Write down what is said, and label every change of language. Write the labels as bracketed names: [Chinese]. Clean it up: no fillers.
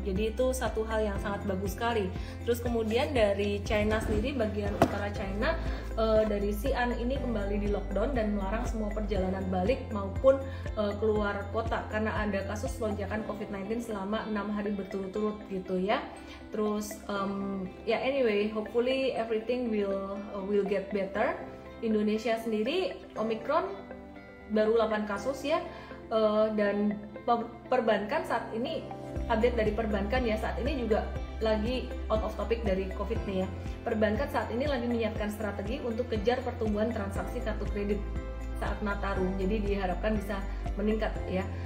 [Indonesian] Jadi itu satu hal yang sangat bagus sekali. Terus kemudian dari China sendiri, bagian utara China, dari Xi'an ini kembali di lockdown dan melarang semua perjalanan balik maupun keluar kota karena ada kasus lonjakan COVID-19 selama 6 hari berturut-turut gitu ya. [English] Terus anyway, hopefully everything will get better. [Indonesian] Indonesia sendiri Omicron baru 8 kasus ya, dan perbankan saat ini, update dari perbankan ya, saat ini juga lagi [English] out of topic [Indonesian] dari COVID nih ya. Perbankan saat ini lagi menyiapkan strategi untuk kejar pertumbuhan transaksi kartu kredit saat Nataru, jadi diharapkan bisa meningkat ya.